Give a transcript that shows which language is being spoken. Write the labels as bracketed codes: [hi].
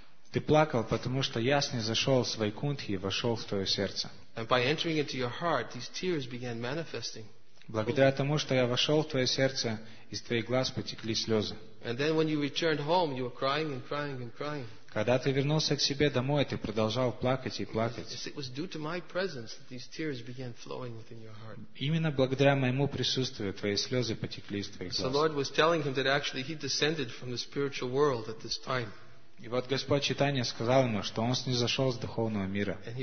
[ru] Ты плакал, потому что я снизошел с Вайкунтхи и вошел в твое сердце. [en] And by entering into your heart, these tears began manifesting. [ru] Благодаря тому, что я вошел в твое сердце, из твоих глаз потекли слезы. [en] And then when you returned home, you were crying and crying and crying. [ru] Когда ты вернулся к себе домой, ты продолжал плакать и плакать. [en] It was due to my presence that these tears began flowing within your heart. [ru] Именно благодаря моему присутствию твои слезы потекли из твоих глаз. [en] So the Lord was telling him that actually he descended from the spiritual world at this time. [ru] И вот Господь Чайтанья сказал ему, что он снизошел с духовного мира.